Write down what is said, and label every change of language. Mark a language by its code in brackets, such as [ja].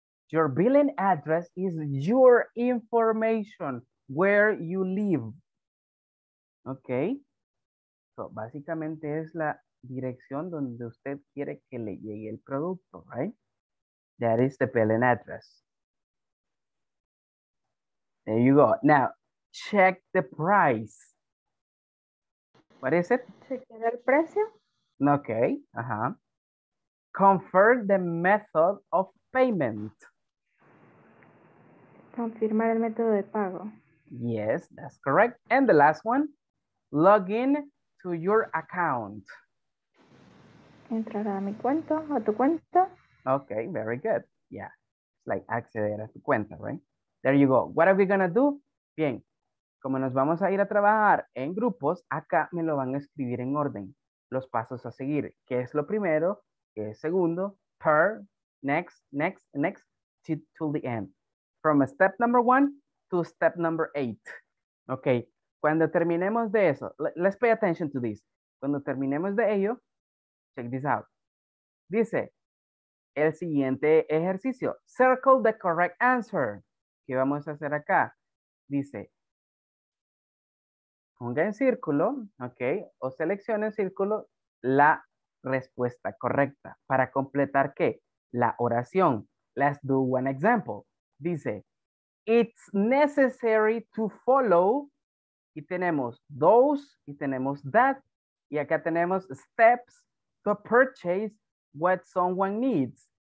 [en] Your billing address is your information where you live. Okay. [es] So, básicamente es la dirección donde usted quiere que le llegue el producto, right? [en] That is the billing address. There you go. Now, check the price. What is it? [es] Check el precio. [en] Okay. Uh-huh. Confirm the method of payment. [es] Confirmar el método de pago. [en] Yes, that's correct. And the last one, log in to your account. [es] Entrar a mi cuenta, a tu cuenta. [en] Okay, very good. Yeah, it's like acceder a tu cuenta, right? There you go. What are we gonna do? [es] Bien, como nos vamos a ir a trabajar en grupos, acá me lo van a escribir en orden. Los pasos a seguir. ¿Qué es lo primero? ¿Qué es segundo? [en] Third, next, next, next, to the end. From step number one to step number 8. Okay. [es] Cuando terminemos de eso, let's pay attention to this. Cuando terminemos de ello, check this out. Dice, el siguiente ejercicio. Circle the correct answer. ¿Qué vamos a hacer acá? Dice, ponga en círculo, okay, o seleccione en círculo la respuesta correcta. ¿Para completar qué? La oración. [en] Let's do one example. Dice, it's necessary to follow [es] y tenemos those y tenemos that. Y acá tenemos steps to purchase what someone needs.